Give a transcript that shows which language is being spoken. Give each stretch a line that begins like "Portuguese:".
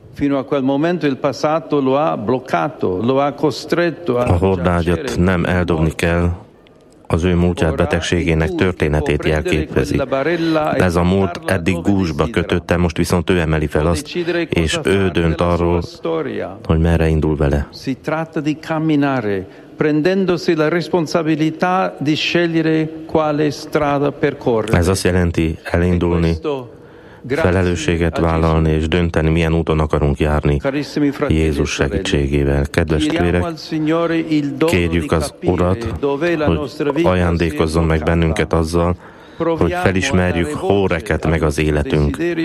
Hungarian: A hordágyat nem eldobni kell, az ő múltját betegségének történetét jelképezi. Ez a múlt eddig gúzsba kötötte, most viszont ő emeli fel azt, és ő dönt arról, hogy merre indul vele.
Italian: Si tratta di camminare. Prendendosi la responsabilità di scegliere quale strada percorrere.
Hungarian: Ez azt jelenti elindulni, felelősséget vállalni és dönteni, milyen úton akarunk járni Jézus segítségével. Kedves testvérek, kérjük az Urat, hogy ajándékozzon meg bennünket azzal, hogy felismerjük, hol reket meg az életünk.